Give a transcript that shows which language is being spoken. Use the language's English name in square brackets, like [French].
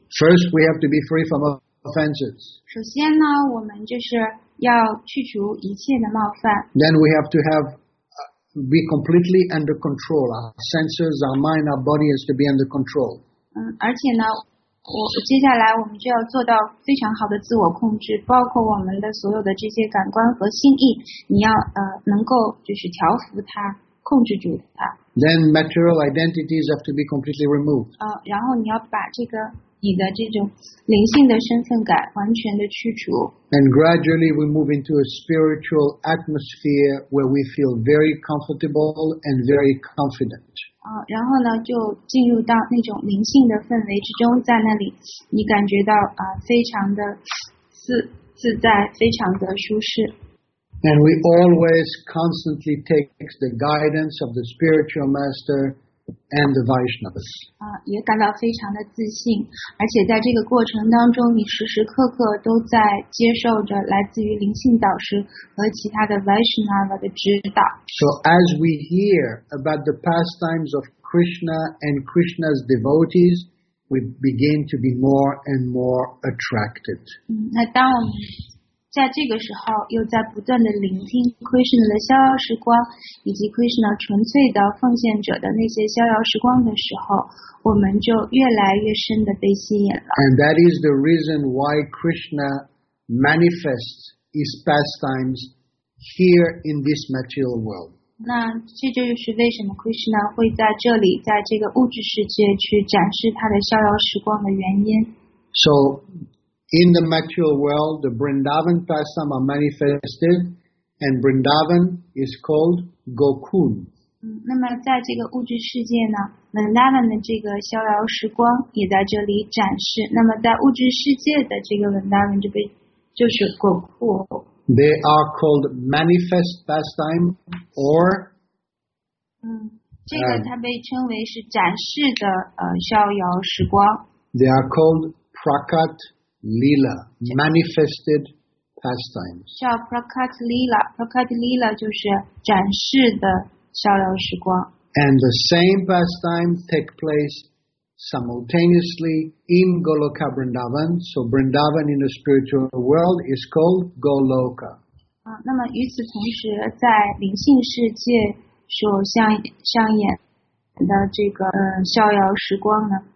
[English] First, we have to be free from offenses. [Chinese] 首先呢，我们就是要去除一切的冒犯。 [English] Then we have to be completely under control. Our senses, our mind, our body has to be under control. [Chinese] 而且呢，接下来我们就要做到非常好的自我控制，包括我们的所有的这些感官和心意，你要能够就是调服它。控制住它。 [English] Then material identities have to be completely removed. [Chinese] 然后你要把这个你的这种灵性的身份感完全的去除。 [English] And gradually we move into a spiritual atmosphere where we feel very comfortable and very confident. [Chinese] 然后呢就进入到那种灵性的氛围之中，在那里你感觉到非常的自在，非常的舒适。 [English] And we always constantly take the guidance of the spiritual master and the Vaishnavas. [Chinese] 也感到非常的自信，而且在这个过程当中，你时时刻刻都在接受着来自于灵性导师和其他的 Vaishnava 的指导。 [English] So as we hear about the pastimes of Krishna and Krishna's devotees, we begin to be more and more attracted. [Chinese] 那当我们在这个时候又在不断地聆听 Krishna 的逍遥时光以及 Krishna 纯粹的奉献者的那些逍遥时光的时候，我们就越来越深地被吸引了。 [English] And that is the reason why Krishna manifests his pastimes here in this material world. [Chinese] 那这就是为什么 Krishna 会在这里在这个物质世界去展示他的逍遥时光的原因。 [English] SoIn the material world, the Vrindavan pastime are manifested, and Vrindavan is called Gokul. [Chinese] 那么在这个物质世界呢 ，Vrindavan 的这个逍遥时光也在这里展示。那么在物质世界的这个 Vrindavan 就是 Gokul. [English] They are called manifest pastime or. [Chinese] 这个它被称为是展示的逍遥时光。 [English] They are called Prakat. Lila, manifested pastimes. [Chinese] 叫 Prakat Lila, Prakat Lila 就是展示的逍遥时光。 [English] And the same pastime take place simultaneously in Goloka Vrindavan. So Vrindavan in the spiritual world is called Goloka. [Chinese] 那么与此同时，在灵性世界所上演的这个逍遥时光呢？